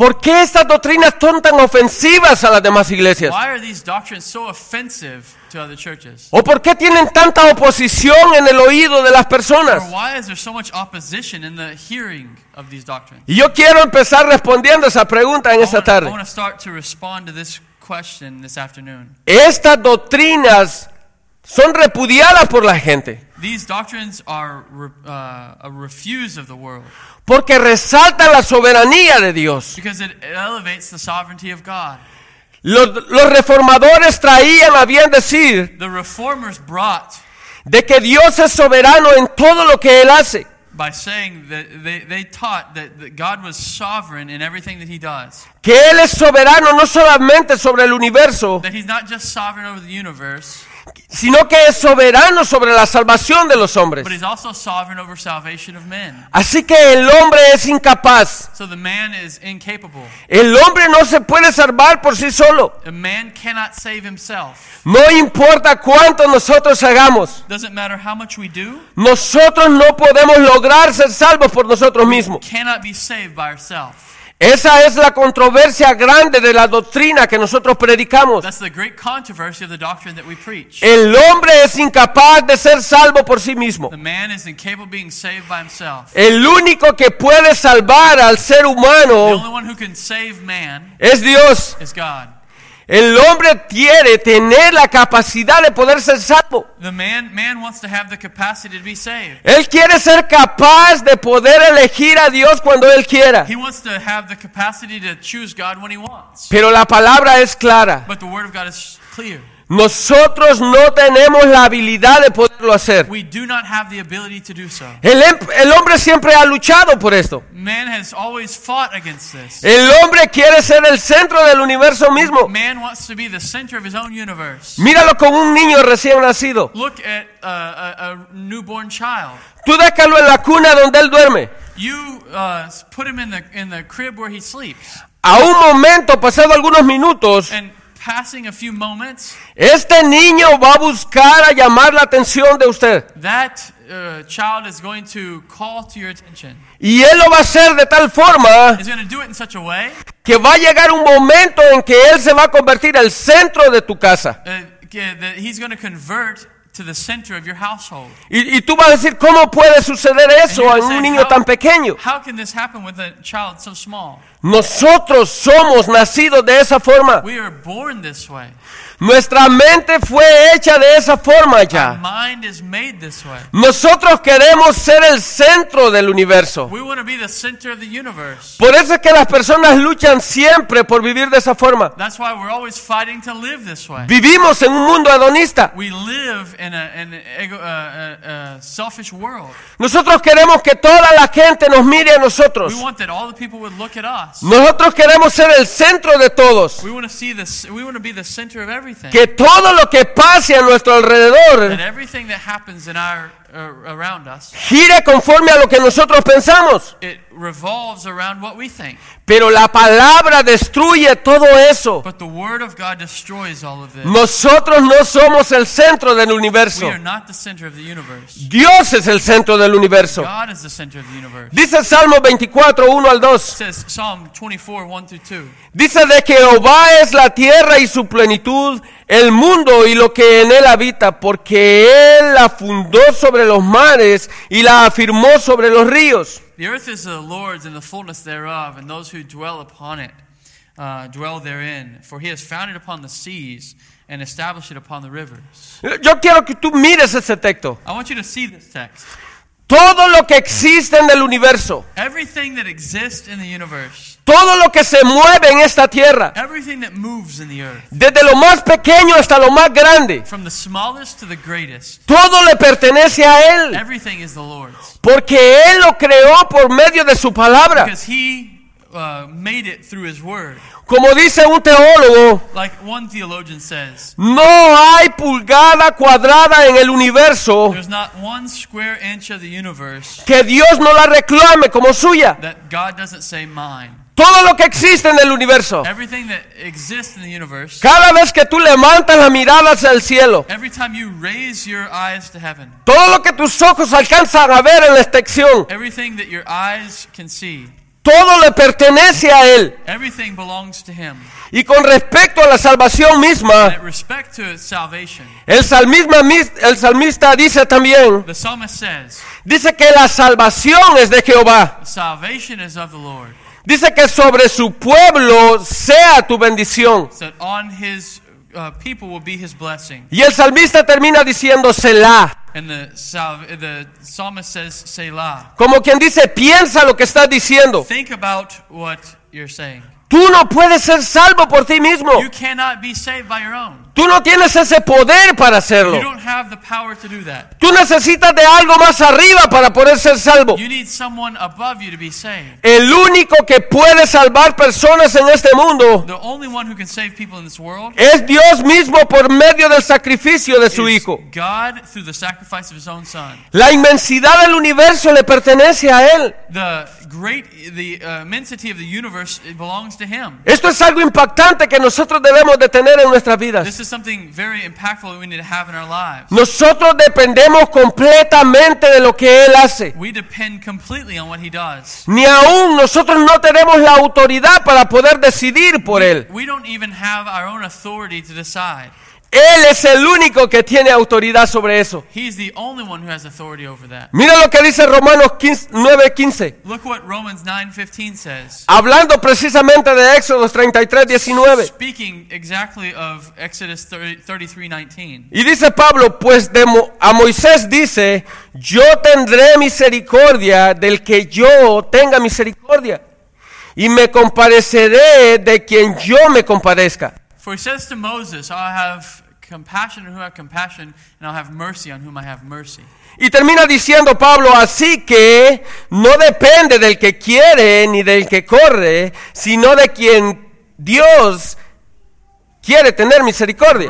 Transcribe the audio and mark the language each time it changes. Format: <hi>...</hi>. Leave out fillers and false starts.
<es>¿Por qué estas doctrinas son tan ofensivas a las demás iglesias?</es> <en>Why are these doctrines so offensive to other churches?</en> <es>¿O por qué tienen tanta oposición en el oído de las personas?</es> <en>Or why is there so much opposition in the hearing of these doctrines?</en> <es>Y yo quiero empezar respondiendo esa pregunta en esta tarde.</es> <en>I want to start to respond to this question this afternoon.</en> <es>Estas doctrinas son repudiadas por la gente.</es> <en>These doctrines are a refuse of the world.</en> <es>Porque resalta la soberanía de Dios.</es> <en>Because it elevates the sovereignty of God.</en> <es>Los reformadores traían a bien decir</es> <en>the reformers brought</en> <es>de que Dios es soberano en todo lo que Él hace.</es> <en>By saying that they taught that God was sovereign in everything that He does.</en> <es>Que Él es soberano no solamente sobre el universo.</es> <en>That He's not just sovereign over the universe.</en> <es>Sino que es soberano sobre la salvación de los hombres.</es> <en>But he's also sovereign over salvation of men.</en> <es>Así que el hombre es incapaz.</es> <en>So the man is incapable.</en> <es>El hombre no se puede salvar por sí solo.</es> <en>A man cannot save himself.</en> <es>No importa cuánto nosotros hagamos.</es> <en>Doesn't matter how much we do.</en> <es>Nosotros no podemos lograr ser salvos por nosotros mismos.</es> <en>We cannot be saved by ourselves.</en> <es>Esa es la controversia grande de la doctrina que nosotros predicamos.</es> <en>That's the great controversy of the doctrine that we preach.</en> <es>El hombre es incapaz de ser salvo por sí mismo.</es> <en>The man is incapable of being saved by himself.</en> <es>El único que puede salvar al ser humano</es> <en>the only one who can save man</en> <es>es Dios.</es> <en>Is God.</en> <es>El hombre quiere tener la capacidad de poder ser salvo.</es> <en>The man wants to have the capacity to be saved.</en> <es>Él quiere ser capaz de poder elegir a Dios cuando él quiera.</es> <en>He wants to have the capacity to choose God when he wants.</en> <es>Pero la palabra es clara.</es> <en>But the word of God is clear.</en> <es>Nosotros no tenemos la habilidad de poderlo hacer.</es> <en>We do not have the ability to do so.</en> <es>El hombre siempre ha luchado por esto.</es> <en>Man has always fought against this.</en> <es>El hombre quiere ser el centro del universo mismo.</es> <en>Man wants to be the center of his own universe.</en> <es>Míralo con un niño recién nacido.</es> <en>Look at a newborn child.</en> <es>Tú déjalo en la cuna donde él duerme.</es> <en>Put him in the crib where he sleeps.</en> <es>A un momento, pasado algunos minutos,</es> <en>passing a few moments,</en> <es>este niño va a buscar a llamar la atención de usted.</es> <en>That child is going to call to your attention.</en> <es>Y él lo va a hacer de tal forma,</es> <en>he's going to do it in such a way,</en> <es>que va a llegar un momento en que él se va a convertir al centro de tu casa.</es> <en>That he's going to convert to the center of your household.</en> <es>Y tú vas a decir, ¿cómo puede suceder eso a un niño tan pequeño?</es> <en>How can this happen with a child so small?</en> <es>Nosotros somos nacidos de esa forma.</es> <en>We are born this way.</en> <es>Nuestra mente fue hecha de esa forma ya.</es> <en>Our mind is made this way.</en> <es>Nosotros queremos ser el centro del universo.</es> <en>We want to be the center of the universe.</en> <es>Por eso es que las personas luchan siempre por vivir de esa forma.</es> <en>That's why we're always fighting to live this way.</en> <es>Vivimos en un mundo hedonista.</es> <en>We live in a selfish world.</en> <es>Nosotros queremos que toda la gente nos mire a nosotros.</es> <en>We want that all the people would look at us.</en> <es>Nosotros queremos ser el centro de todos.</es> <en>We want to see this. We want to be the center of everything.</en> <es>Que todo lo que pase a nuestro alrededor,</es> <en>that everything that happens in our around us,</en> <es>gire conforme a lo que nosotros pensamos.</es> <en>It revolves around what we think.</en> <es>Pero la palabra destruye todo eso.</es> <en>But the word of God destroys all of it.</en> <es>Nosotros no somos el centro del universo.</es> <en>We are not the center of the universe.</en> <es>Dios es el centro del universo.</es> <en>God is the center of the universe.</en> <es>Dice Salmo 24, 1 al 2.</es> <en>It says Psalm 24, 1 through 2.</en> <es>Dice de que Jehová es la tierra y su plenitud, el mundo y lo que en él habita, porque él la fundó sobre los mares y la afirmó sobre los ríos.</es> <en>The earth is the Lord's and the fullness thereof, and those who dwell upon it dwell therein. For he has founded upon the seas and established it upon the rivers.</en> <es>Yo quiero que tú mires ese texto.</es> <en>I want you to see this text.</en> <es>Todo lo que existe en el universo.</es> <en>Everything that exists in the universe.</en> <es>Todo lo que se mueve en esta tierra.</es> <en>Everything that moves in the earth.</en> <es>Desde lo más pequeño hasta lo más grande.</es> <en>From the smallest to the greatest.</en> <es>Todo le pertenece a él.</es> <en>Everything is the Lord's.</en> <es>Porque él lo creó por medio de su palabra.</es> <en>Because he made it through his word.</en> <es>Como dice un teólogo,</es> <en>like one theologian says,</en> <es>no hay pulgada cuadrada en el universo,</es> <en>there's not one square inch of the universe,</en> <es>que Dios no la reclame como suya.</es> <en>That God doesn't say mine.</en> <es>Todo lo que existe en el universo,</es> <en>everything that exists in the universe,</en> <es>cada vez que tú levantas la mirada hacia el cielo,</es> <en>every time you raise your eyes to heaven,</en> <es>todo lo que tus ojos alcanzan a ver en la extensión,</es> <en>everything that your eyes can see,</en> <es>todo le pertenece a él.</es> <en>Everything belongs to him.</en> <es>Y con respecto a la salvación misma,</es> <en>and respect to salvation,</en> <es>el salmista dice también,</es> <en>the psalmist says,</en> <es>dice que la salvación es de Jehová.</es> <en>Salvation is of the Lord.</en> <es>Dice que sobre su pueblo sea tu bendición.</es> <en>So on his people will be his blessing.</en> <es>Y el salmista termina diciendo Selah.</es> <en>And the psalmist says Selah.</en> <es>Como quien dice, piensa lo que estás diciendo.</es> <en>Think about what you're saying.</en> <es>Tú no puedes ser salvo por ti mismo.</es> <en>You cannot be saved by your own.</en> <es>Tú no tienes ese poder para hacerlo.</es> <en>You don't have the power to do that.</en> <es>Tú necesitas de algo más arriba para poder ser salvo.</es> <en>You need someone above you to be saved.</en> <es>El único que puede salvar personas en este mundo,</es> <en>the only one who can save people in this world,</en> <es>es Dios mismo por medio del sacrificio de su Hijo.</es> <en>God through the sacrifice of his own son.</en> <es>La inmensidad del universo le pertenece a Él.</es> <en>The immensity of the universe, it belongs to him.</en> <es>Esto es algo impactante que nosotros debemos de tener en nuestras vidas.</es> <en>This is something very impactful that we need to have in our lives.</en> <es>Nosotros dependemos completamente de lo que él hace.</es> <en>We depend completely on what he does.</en> <es>Ni aún nosotros no tenemos la autoridad para poder decidir por él.</es> <en>We don't even have our own authority to decide.</en> <es>Él es el único que tiene autoridad sobre eso.</es> <en>He's the only one who has authority over that.</en> <es>Mira lo que dice Romanos 9:15.</es> <en>Look what Romans 9:15 says.</en> <es>Hablando precisamente de Éxodo 33:19.</es> <en>Speaking exactly of Exodus 33:19.</en> <es>Y dice Pablo, pues a Moisés dice, yo tendré misericordia del que yo tenga misericordia, y me compadeceré de quien yo me compadezca.</es> <en>For he says to Moses, I'll have compassion on whom I have compassion, and I'll have mercy on whom I have mercy.</en> <es>Y termina diciendo Pablo, así que no depende del que quiere ni del que corre, sino de quien Dios quiere tener misericordia.</es>